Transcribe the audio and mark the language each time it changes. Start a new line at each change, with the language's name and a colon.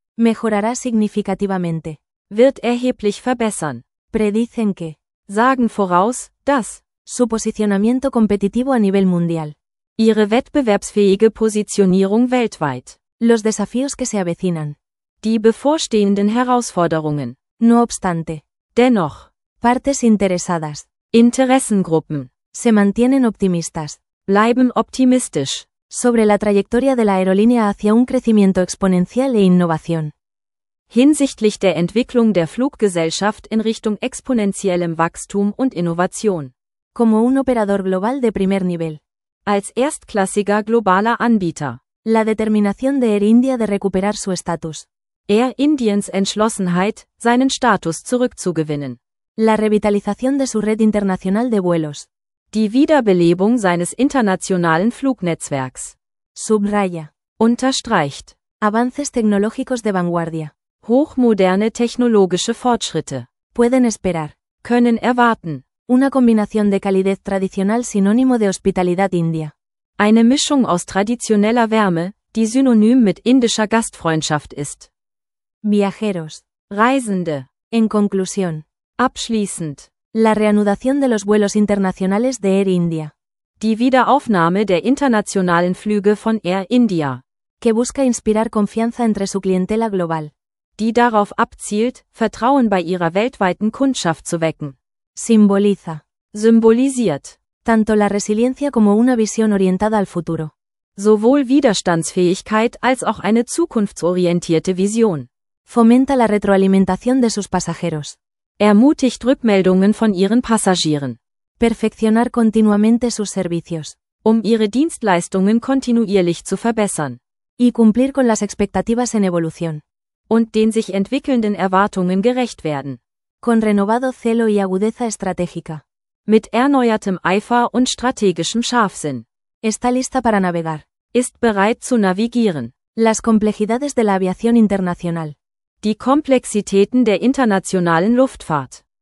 Spanish: Mejorará significativamente.
German: Wird erheblich verbessern.
Spanish: Predicen que.
German: Sagen voraus, dass.
Spanish: Su posicionamiento competitivo a nivel mundial.
German: Ihre wettbewerbsfähige Positionierung weltweit.
Spanish: Los desafíos que se avecinan.
German: Die bevorstehenden Herausforderungen.
Spanish: No obstante.
German: Dennoch.
Spanish: Partes interesadas.
German: Interessengruppen.
Spanish: Se mantienen optimistas.
German: Bleiben optimistisch.
Spanish: Sobre la trayectoria de la aerolínea hacia un crecimiento exponencial e innovación.
German: Hinsichtlich der Entwicklung der Fluggesellschaft in Richtung exponentiellem Wachstum und Innovation.
Spanish: Como un operador global de primer nivel.
German: Als erstklassiger globaler Anbieter.
Spanish: La determinación de Air India de recuperar su estatus.
German: Air Indiens Entschlossenheit, seinen Status zurückzugewinnen.
Spanish: La revitalización de su red internacional de vuelos.
German: Die Wiederbelebung seines internationalen Flugnetzwerks.
Spanish: Subraya.
German: Unterstreicht.
Spanish: Avances tecnológicos de vanguardia.
German: Hochmoderne technologische Fortschritte.
Spanish: Pueden esperar.
German: Können erwarten.
Spanish: Una combinación de calidez tradicional sinónimo de hospitalidad india.
German: Eine Mischung aus traditioneller Wärme, die synonym mit indischer Gastfreundschaft ist.
Spanish: Viajeros.
German: Reisende.
Spanish: En conclusión.
German: Abschließend.
Spanish: La reanudación de los vuelos internacionales de Air India.
German: Die Wiederaufnahme der internationalen Flüge von Air India.
Spanish: Que busca inspirar confianza entre su clientela global.
German: Die darauf abzielt, Vertrauen bei ihrer weltweiten Kundschaft zu wecken.
Spanish: Simboliza.
German: Symbolisiert.
Spanish: Tanto la resiliencia como una visión orientada al futuro.
German: Sowohl Widerstandsfähigkeit als auch eine zukunftsorientierte Vision.
Spanish: Fomenta la retroalimentación de sus pasajeros.
German: Ermutigt Rückmeldungen von ihren Passagieren.
Spanish: Perfeccionar continuamente sus servicios.
German: Um ihre Dienstleistungen kontinuierlich zu verbessern.
Spanish: Y cumplir con las expectativas en evolución.
German: Und den sich entwickelnden Erwartungen gerecht werden.
Spanish: Con renovado celo y agudeza estratégica.
German: Mit erneuertem Eifer und strategischem Scharfsinn.
Spanish: Está lista para navegar.
German: Ist bereit zu navigieren.
Spanish: Las complejidades de la aviación internacional.
German: Die Komplexitäten der internationalen Luftfahrt.